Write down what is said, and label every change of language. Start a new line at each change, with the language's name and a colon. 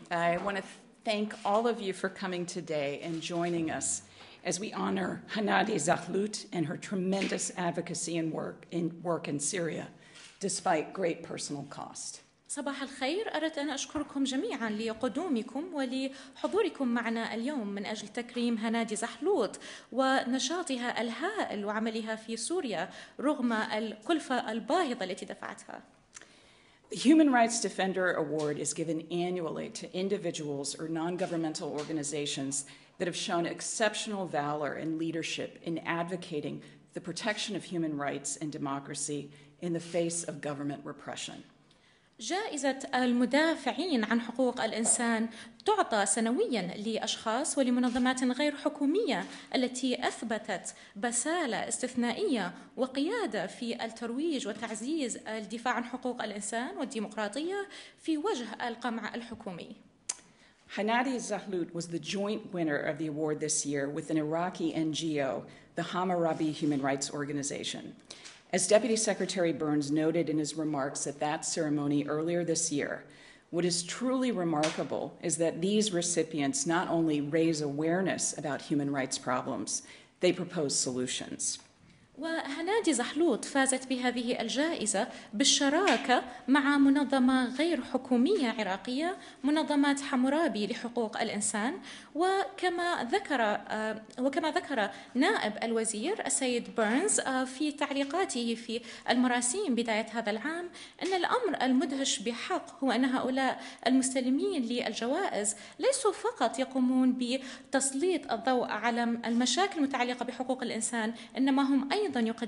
English: I want to thank all of you for coming today and joining us as we honor Hanadi Zahloot and her tremendous advocacy and work in Syria, despite great personal cost.
Arabic: صباح الخير. أردت أن أشكركم جميعاً لقدومكم ولحضوركم معنا اليوم من أجل تكريم هنادي زحلوط ونشاطها الهائل وعملها في سوريا رغم الكلفة الباهظة التي دفعتها.
English: The Human Rights Defender Award is given annually to individuals or non-governmental organizations that have shown exceptional valor and leadership in advocating the protection of human rights and democracy in the face of government repression.
Arabic: جائزة المدافعين عن حقوق الإنسان تعطى سنوياً لأشخاص ولمنظمات غير حكومية التي أثبتت بسالة استثنائية وقيادة في الترويج وتعزيز الدفاع عن حقوق الإنسان والديمقراطية في وجه القمع الحكومي.
English: Hanadi Zahloot was the joint winner of the award this year with an Iraqi NGO, the Hammurabi Human Rights Organization. As Deputy Secretary Burns noted in his remarks at that ceremony earlier this year, what is truly remarkable is that these recipients not only raise awareness about human rights problems, they propose solutions.
Arabic: وهنادي زحلوط فازت بهذه الجائزة بالشراكة مع منظمة غير حكومية عراقية منظمات حمورابي لحقوق الإنسان وكما ذكر نائب الوزير السيد بيرنز في تعليقاته في المراسيم بداية هذا العام أن الأمر المدهش بحق هو أن هؤلاء المستلمين للجوائز ليسوا فقط يقومون بتسليط الضوء على المشاكل المتعلقة بحقوق الإنسان إنما هم أيضا